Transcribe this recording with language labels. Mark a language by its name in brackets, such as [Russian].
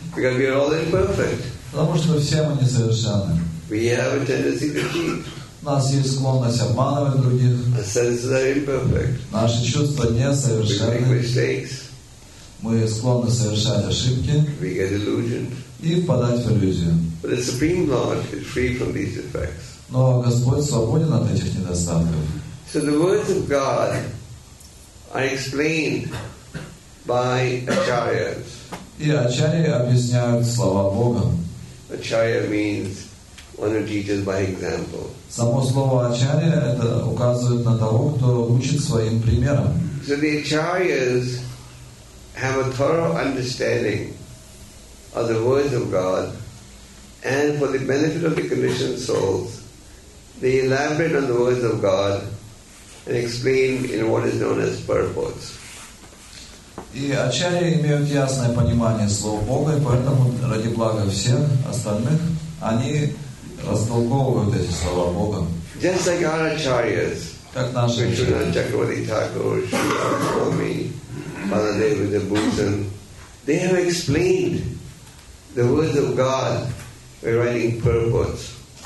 [English] Because we are all imperfect. [Russian] Потому что все мы несовершенны. [English] We have a tendency to cheat. [Russian] У нас есть склонность обманывать других. [English] Our senses are imperfect. [Russian] Наши чувства несовершенны. [English] We make mistakes. [Russian] Мы склонны совершать ошибки. [English] We get illusioned. [Russian] И впадать в иллюзию. [English] But the Supreme Lord is free from these defects. [Russian] Но Господь свободен от этих недостатков. [English] So the words of God are explained by acharyas. [Russian] И ачарьи объясняют слова Бога. [English] Acharya means one who teaches by example. [Russian] Само слово ачарья это указывает на того, кто учит своим примером. [English] So the acharyas have a thorough understanding of the words of God, and for the benefit of the conditioned souls, they elaborate on the words of God and explain in what is known as purports. [Russian] И ачарьи имеют ясное понимание слова Бога, и поэтому ради блага всех остальных они растолковывают эти слова Бога. [English] Just like our acharyas, [Russian] как наши [English] Кришна, Чакравати Тхакур, Шри Свами, Father David Bhusan, they have explained the words of God by writing purports.